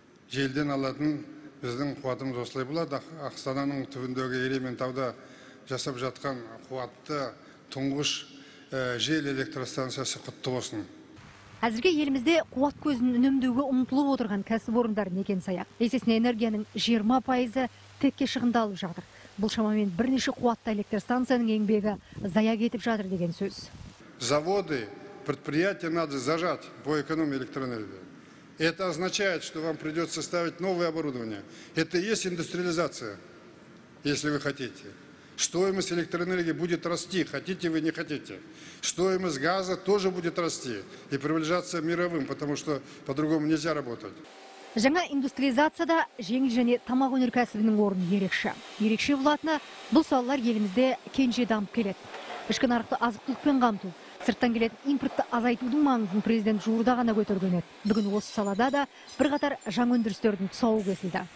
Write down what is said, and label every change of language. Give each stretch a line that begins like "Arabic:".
Kazakh: Желден алатын біздің қуатымыз осылай болады. Ақстананың түбіндегі Ерементауда жасап жатқан қуатты тұңғыш жел электростанциясы құтты болсын. Әзірге елімізде қуат көзін үнемдеуге ұмтылып отырған кәсіпорындар некен саяқ. Есесіне энергияның 20% текке шығындалып жатыр. Бұл шамамен бірнеше қуатты электростанцияның еңбегі зая кетіп жатыр деген сөз.
Russian: Заводы, предприятия надо зажать по экономии электроэнергии. Это означает, что вам придется ставить новое оборудование. Это и есть индустриализация, если вы хотите. Стоимость электроэнергии будет расти, хотите вы, не хотите. Стоимость газа тоже будет расти и приближаться к мировым, потому что по-другому нельзя работать.
Kazakh: Жаңа индустриализацияда жеңіл және тамақ өнеркәсібінің орны ерекше. Ерекше болатыны, бұл салалар елімізде кенже дамып келеді. ішкі нарықты азық-түлікпен қамту, сырттан келетін импортты азайтудың маңызын президент жуырда ғана көтерген еді. Бүгін осы салада да бірқатар жаңа өндірістердің тұсауы кесілді.